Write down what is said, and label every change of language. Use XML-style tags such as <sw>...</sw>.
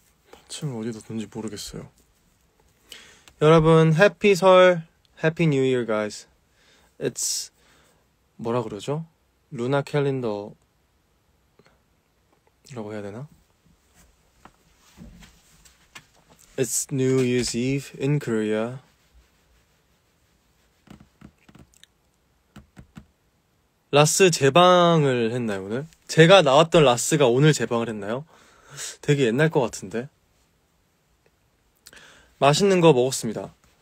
<ko>받침을 어디다 뒀는지 모르겠어요. 여러분, 해피 설,</ko> <en>해피 뉴 이어, 가이즈.</en> <ko>It's, 뭐라 그러죠? 루나 캘린더라고 해야 되나?</ko> <en>It's New Year's Eve in Korea.</en> <ko>라스 재방을 했나요, 오늘? 제가 나왔던 라스가 오늘 재방을 했나요? 되게 옛날 것 같은데. 맛있는 거 먹었습니다.</ko>